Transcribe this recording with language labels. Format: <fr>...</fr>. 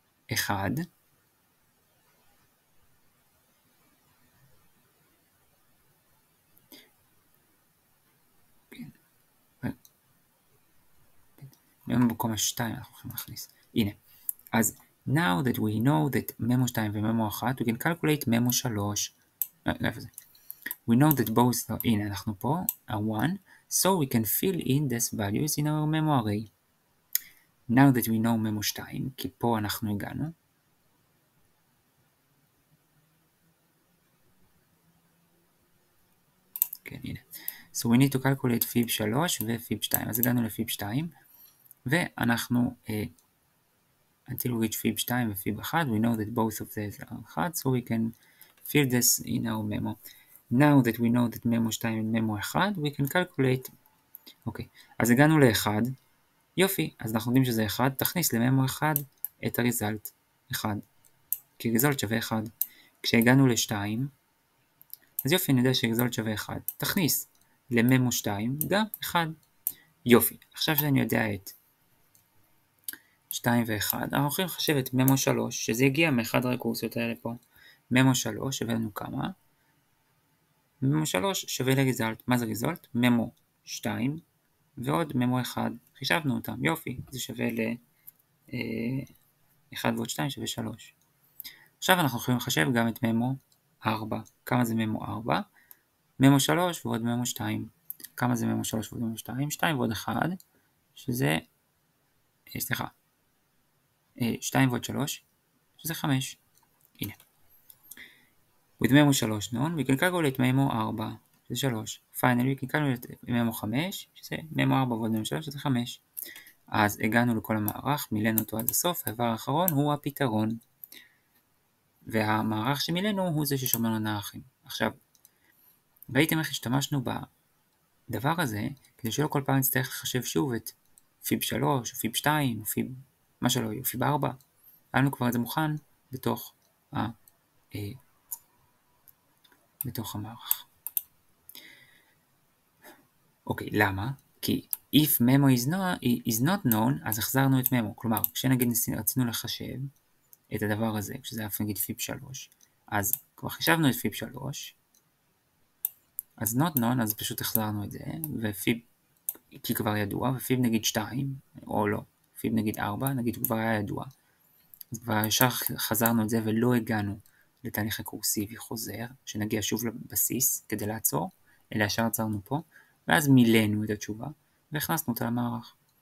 <he>1 ממו במקום ה-2 אנחנו הולכים להכניס הנה אז</he> <en>now that we know that</en> <he>ממו 2 וממו 1</he> <en>we can calculate</en> <he>ממו 3 איפה זה</he> <en>We know that both are in,</en> <he>אנחנו פה,</he> <en>are one, so we can fill in these values in our memo array. Now that we know memo 2,</en> <he>כי פה אנחנו הגענו,</he> <en>so we need to calculate fib 3 ו fib 2,</en> <he>אז הגענו לפיב 2 ואנחנו</he> <en>until we reach fib 2 ו fib 1 we know that both of these are 1 so we can fill this in our memo. Now that we know that memo 2 and memo 1 we can calculate.</en> <he>אוקיי, אז הגענו ל 1, יופי, אז אנחנו יודעים שזה 1, תכניס לממו 1 את הריזלט 1 כי ריזלט שווה 1. כשהגענו ל 2, אז יופי, אני יודע שריזולט שווה 1, תכניס לממו 2 גם 1. יופי, עכשיו שאני יודע את 2 ו-1, אנחנו הולכים לחשב את ממו 3, שזה הגיע מאחד הרקורסיות האלה פה. ממו 3 שווה לנו כמה? ממו 3 שווה לריזולט, מה זה ריזולט? ממו 2 ועוד ממו 1, חישבנו אותם, יופי, זה שווה ל 1 ועוד 2 שווה 3. עכשיו אנחנו יכולים לחשב גם את ממו 4, כמה זה ממו 4? ממו 3 ועוד ממו 2, כמה זה ממו 3 ועוד ממו 2? 2 ועוד 1, שזה, סליחה, 2 ועוד 3, שזה 5, הנה.</he> <en>With ממו 3 known, we can calculate ממו 4,</en> <he>שזה 3.</he> <en>Finally, we can calculate ממו 5,</en> <he>שזה ממו 4 ועוד ממו 3, שזה 5. אז הגענו לכל המערך, מילאנו אותו עד הסוף, העבר האחרון הוא הפתרון. והמערך שמילאנו הוא זה ששומר לנו ערכים. עכשיו, ראיתם איך השתמשנו בדבר הזה, כדי שלא כל פעם נצטרך לחשב שוב את פיב 3, או פיב 2, או פיב, מה שלא יהיה, או פיב 4. היה לנו כבר את זה מוכן בתוך, בתוך המערך. אוקיי, למה? כי</he> <en>if memo is not known,</en> <he>אז החזרנו את</he> <en>memo.</en> <he>כלומר, כשנגיד רצינו לחשב, את הדבר הזה, כשזה היה נגיד פיב 3, אז כבר חישבנו את פיב 3, אז</he> <en>not known,</en> <he>אז פשוט החזרנו את זה, ופיב, כי כבר ידוע, ופיב נגיד 2, או לא, פיב נגיד 4, נגיד כבר היה ידוע, אז כבר ישר חזרנו את זה ולא הגענו לתהליך הקורסיבי חוזר, שנגיע שוב לבסיס כדי לעצור, אלא ישר עצרנו פה, ואז מילאנו את התשובה, והכנסנו אותה למערך.</he>